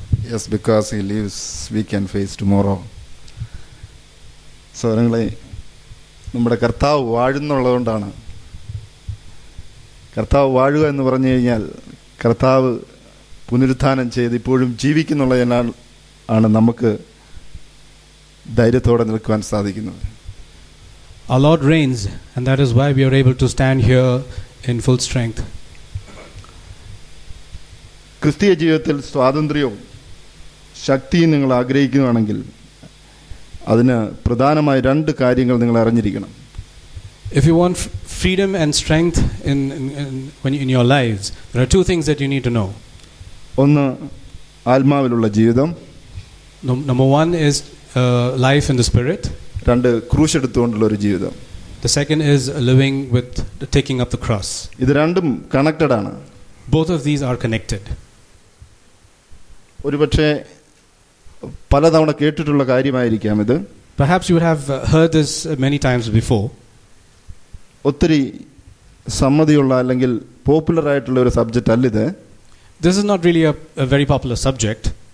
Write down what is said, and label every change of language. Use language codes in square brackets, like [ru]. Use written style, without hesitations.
[en] Yes, because he leaves, we can face tomorrow. [ml] സൗരങ്ങളെ, നമ്മുടെ കർത്താവ് വാഴുന്നുള്ളതുകൊണ്ടാണ്. കർത്താവ് വാഴുക എന്ന് പറഞ്ഞു കഴിഞ്ഞാൽ കർത്താവ് പുനരുത്ഥാനം ചെയ്ത് ഇപ്പോഴും ജീവിക്കുന്നുള്ളതിനാൽ ആണ് നമുക്ക് ധൈര്യത്തോടെ നിൽക്കുവാൻ സാധിക്കുന്നത്. [en] Our Lord reigns, and that is why we are able to stand here in full strength. [ml] ക്രിസ്തീയ ജീവിതത്തിൽ സ്വാതന്ത്ര്യവും ശക്തിയും നിങ്ങൾ ആഗ്രഹിക്കുകയാണെങ്കിൽ അതിന് പ്രധാനമായ രണ്ട് കാര്യങ്ങൾ നിങ്ങൾ അറിഞ്ഞിരിക്കണം. [en] If you want freedom and strength in your lives, there are two things that you need to know. [ml] ഒന്ന്, ആത്മാവിലുള്ള ജീവിതം. [en] Number one is life in the spirit. [ml] രണ്ട്, ക്രൂശെടുത്തുകൊണ്ടുള്ള ഒരു ജീവിതം. [en] The second is living with taking up the cross. [ml] ഇത് രണ്ടും connected ആണ്. [en] Both of these are connected. [ml] ഒരുപക്ഷേ പലതവണ കേട്ടിട്ടുള്ള കാര്യമായിരിക്കാം ഇത്. [en] Perhaps you would have heard this many times before. [ml] ഒത്തിരി സമ്മതിയുള്ള അല്ലെങ്കിൽ പോപ്പുലർ ആയിട്ടുള്ള ഒരു സബ്ജക്റ്റ് അല്ല ഇത്. [en] This is not really a very popular subject.